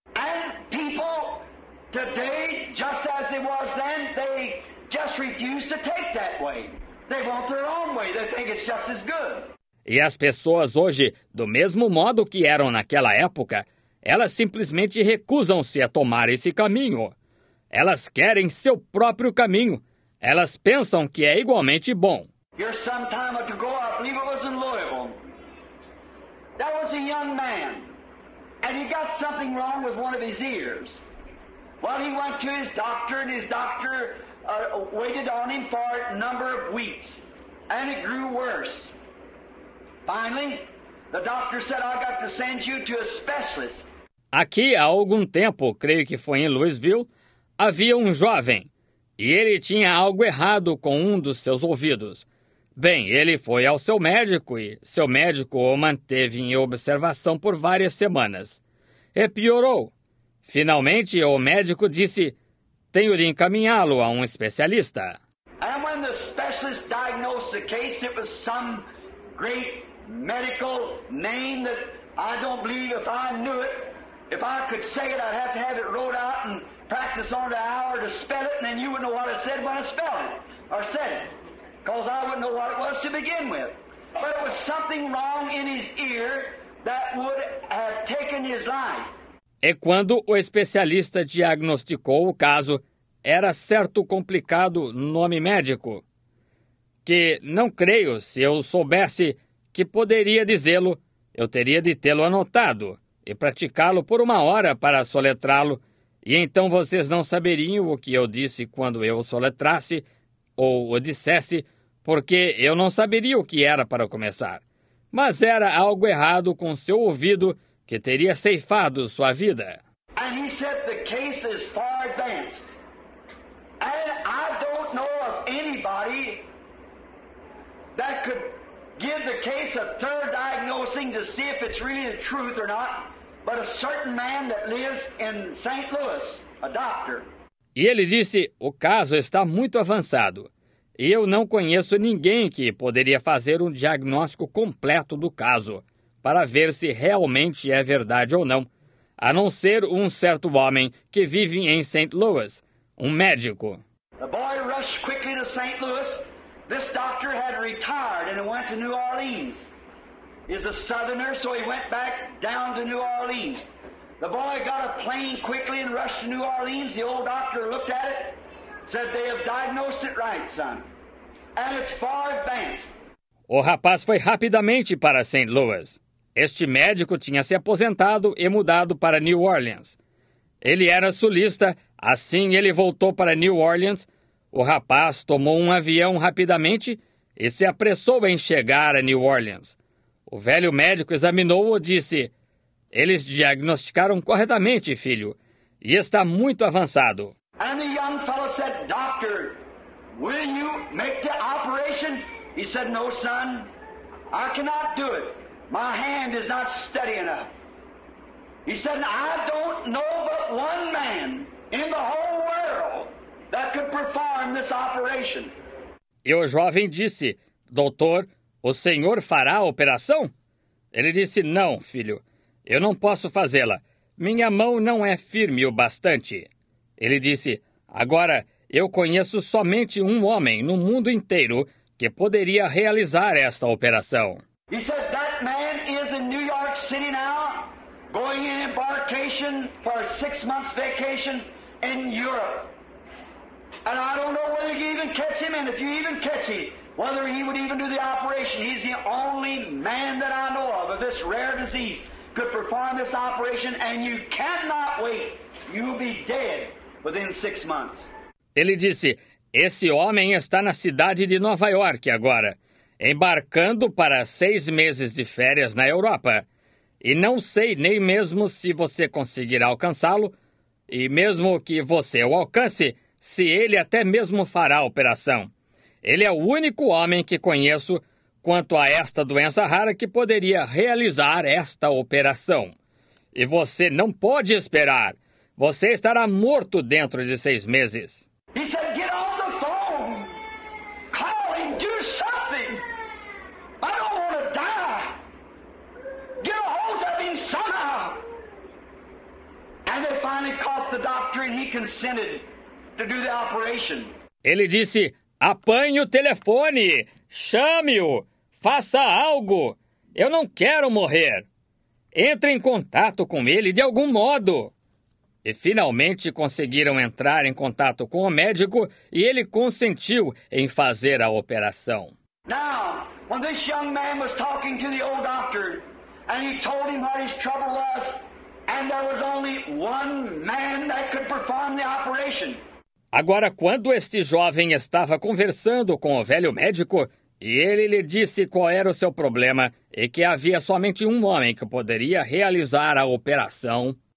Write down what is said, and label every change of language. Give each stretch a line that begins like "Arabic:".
English: And people today, just as it was then, they just refuse to take that way. They want their own way. They think it's just as good.
Portuguese: E as pessoas hoje, do mesmo modo que eram naquela época, elas simplesmente recusam-se a tomar esse caminho. Elas querem seu próprio caminho. Elas pensam que é igualmente bom.
English: Here some time ago, I believe it was in Louisville. There was a young man, and he got something wrong with one of his ears. Well, he went to his doctor, and his doctor waited on him for a number of weeks, and it grew worse. Finally, the doctor said, I got to send you to a specialist.
Portuguese: Aqui, há algum tempo, creio que foi em Louisville, havia um jovem, e ele tinha algo errado com um dos seus ouvidos. Bem, ele foi ao seu médico e seu médico o manteve em observação por várias semanas. E piorou. Finalmente, o médico disse, tenho de encaminhá-lo a um especialista.
English: And when the specialist diagnosed the case, it was some great medical name that I don't believe if I knew it, if I could say it, I'd have to have it wrote out and practice on the hour to spell it, and then you would know what I said when I spelled it, or said it. Because I wouldn't know what it was to begin with. But it was something wrong in his ear that would have taken his life.
Portuguese: E quando o especialista diagnosticou o caso, era certo complicado nome médico. Que não creio, se eu soubesse que poderia dizê-lo, eu teria de tê-lo anotado e praticá-lo por uma hora para soletrá-lo, e então vocês não saberiam o que eu disse quando eu o soletrasse ou o dissesse, porque eu não saberia o que era para começar. Mas era algo errado com seu ouvido que teria ceifado sua vida.
English: And he said the case is far advanced. And I don't know of anybody that could give the case a third diagnosing to see if it's really the truth or not, but a certain man that lives in St. Louis, a doctor.
Portuguese: E ele disse: o caso está muito avançado. E eu não conheço ninguém que poderia fazer um diagnóstico completo do caso para ver se realmente é verdade ou não, a não ser um certo homem que vive em St. Louis, um médico.
English: The boy rushed quickly to St. Louis. This doctor had retired and went to New Orleans. He's a southerner, so he went back down to New Orleans. The boy got a plane quickly and rushed to New Orleans. The old doctor looked at it. Said they have diagnosed it right, son. And it's far advanced.
Portuguese: O rapaz foi rapidamente para St. Louis. Este médico tinha se aposentado e mudado para New Orleans. Ele era sulista, assim ele voltou para New Orleans. O rapaz tomou um avião rapidamente e se apressou em chegar a New Orleans. O velho médico examinou-o e disse: eles diagnosticaram corretamente, filho, e está muito avançado.
English: And the young fellow said, doctor, will you make the operation? He said, no, son, I cannot do it. My hand is not steady enough. He said, I don't know but one man in the whole world that could perform this operation.
Portuguese: E o jovem disse, doutor, o senhor fará a operação? Ele disse, não, filho, eu não posso fazê-la. Minha mão não é firme o bastante. Ele disse, agora, eu conheço somente um homem no mundo inteiro que poderia realizar esta operação.
English: He said, that man is in New York City now, going in embarkation for a 6 months vacation in Europe. And I don't know whether you can even catch him, and if you even catch him, whether he would even do the operation. He's the only man that I know of this rare disease could perform this operation, and you cannot wait. You'll be dead within 6 months.
Portuguese: Ele disse, esse homem está na cidade de Nova York agora, embarcando para 6 meses de férias na Europa. E não sei nem mesmo se você conseguirá alcançá-lo, e mesmo que você o alcance, se ele até mesmo fará a operação. Ele é o único homem que conheço quanto a esta doença rara que poderia realizar esta operação. E você não pode esperar. Você estará morto dentro de 6 meses.
English: He said, get on the phone. Call him, do something. I don't want to die. Get a hold of him somehow. And they finally caught the doctor and he consented to do the operation.
Portuguese: Ele disse, apanhe o telefone. Chame-o. Faça algo. Eu não quero morrer. Entre em contato com ele de algum modo. E finalmente conseguiram entrar em contato com o médico e ele consentiu em fazer a operação.
English: Now, when this young man was talking to the old doctor and he told him what his trouble was and there was only one man that could perform the operation.
Portuguese: Agora, quando este jovem estava conversando com o velho médico e ele lhe disse qual era o seu problema e que havia somente um homem que poderia realizar a operação.